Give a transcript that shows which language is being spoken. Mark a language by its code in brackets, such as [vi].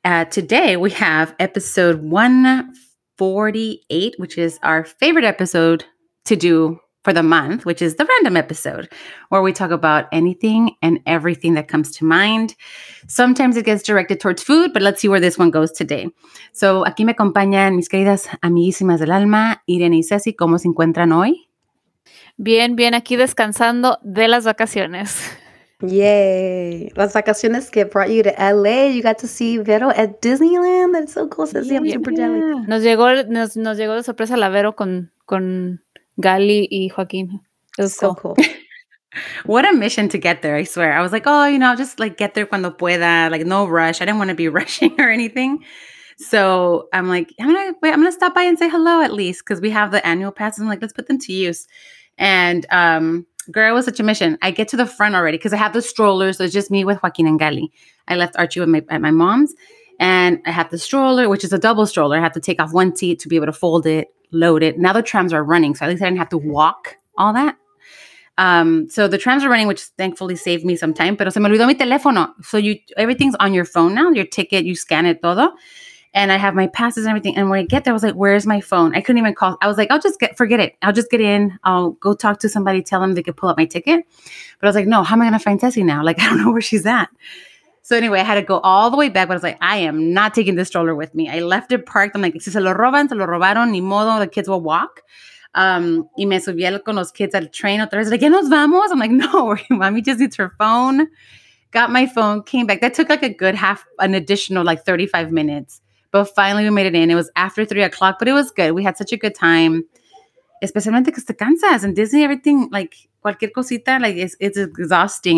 [en] Today we have episode 148, which is our favorite episode to do for the month, which is the random episode where we talk about anything and everything that comes to mind. Sometimes it gets directed towards food, but let's see where this one goes today. [es] So aquí me acompañan mis queridas amiguísimas del alma, Irene y Ceci. ¿Cómo se encuentran hoy? Bien, bien, aquí descansando de las vacaciones. [en] Yay! [es] Las vacaciones que [en] brought you to LA. You got to see Vero at Disneyland. That's so cool. Yeah, I'm super jelly. Yeah. [es] Nos llegó de sorpresa la Vero con Gali y Joaquín. [en] It was so cool. What a mission to get there, I swear. I was like, oh, you know, I'll just like get there [es] cuando pueda. [en] Like, no rush. I didn't want to be rushing or anything. So I'm like, I'm gonna stop by and say hello at least, because we have the annual passes. I'm like, let's put them to use. And girl, it was such a mission. I get to the front already because I have the strollers. So it's just me with Joaquin and Gali. I left Archie at my mom's, and I have the stroller, which is a double stroller. I have to take off one seat to be able to fold it, load it. Now the trams are running, so at least I didn't have to walk all that. So the trams are running, which thankfully saved me some time. [es] Pero se me olvidó mi teléfono. [en] So everything's on your phone now. Your ticket, you scan it todo. And I have my passes and everything. And when I get there, I was like, where's my phone? I couldn't even call. I was like, forget it. I'll just get in. I'll go talk to somebody, tell them they could pull up my ticket. But I was like, no, how am I going to find Ceci now? Like, I don't know where she's at. So anyway, I had to go all the way back. But I was like, I am not taking this stroller with me. I left it parked. [es] I'm like, si se lo roban, se lo robaron. Ni modo, [en] the kids will walk. [es] Y me subí con los kids al train. Otra vez, like, ¿ya nos vamos? [en] I'm like, no, mommy just needs her phone. Got my phone, came back. That took like a good half, an additional like 35 minutes. But finally, we made it in. It was after 3 o'clock, but it was good. We had such a good time, especially because the cansas and Disney, everything, like, [es] cualquier cosita, [en] like, it's exhausting.